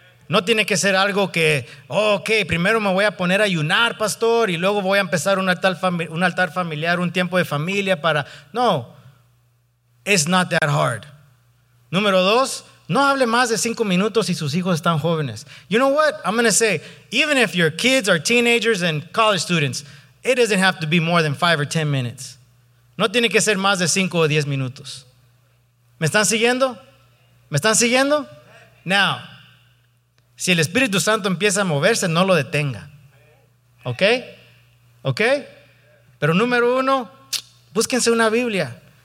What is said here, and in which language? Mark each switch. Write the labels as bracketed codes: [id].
[es] No tiene que ser algo que, oh, ok, primero me voy a poner a ayunar, pastor, y luego voy a empezar un altar familiar, un tiempo de familia para... [en] No, it's not that hard. [es] Número dos, no hable más de 5 minutos si sus hijos están jóvenes. [en] You know what? I'm going to say, even if your kids are teenagers and college students, it doesn't have to be more than 5 or 10 minutes. [es] No tiene que ser más de 5 o 10 minutos. ¿Me están siguiendo? ¿Me están siguiendo? Now, si el Espíritu Santo empieza a moverse, no lo detenga. ¿Ok? ¿Ok? Pero número uno, búsquense una Biblia.